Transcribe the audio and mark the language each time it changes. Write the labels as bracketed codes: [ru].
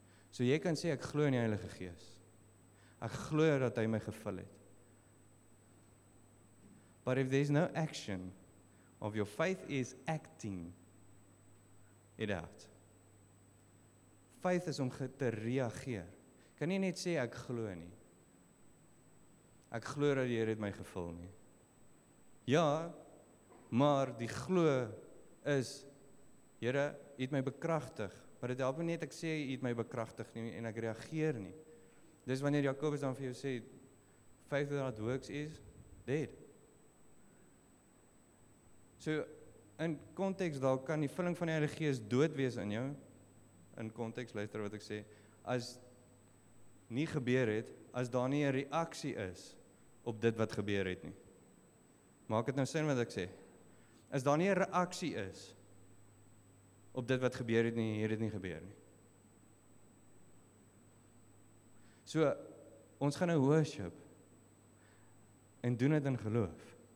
[af] So jy kan sê, ek glo in die Heilige Gees. Ek glo dat hy my gevul het. [en] But if there is no action, of your faith is acting it out. [af] Faith is om te reageer. Kan nie net sê, ek glo nie. Ek glo dat die Here het my gevul nie. Ja, maar die glo is, Here, jy het my bekragtig, maar dit help nie net ek sê, jy het my bekragtig nie, en ek reageer nie. Dis wanneer Jakobus dan vir jou sê, [en] faith without works is dead. [af] So, in context daar kan die vulling van die Heilige Gees dood wees in jou, in context, luister wat ek sê, as nie gebeur het, as daar nie 'n reaksie is op dit wat gebeur het nie. Maak het nou sin wat ek sê? As daar nie 'n reaksie is, op dit wat gebeur het nie, hier het nie gebeur nie. So, ons gaan nou worship en doen het in geloof.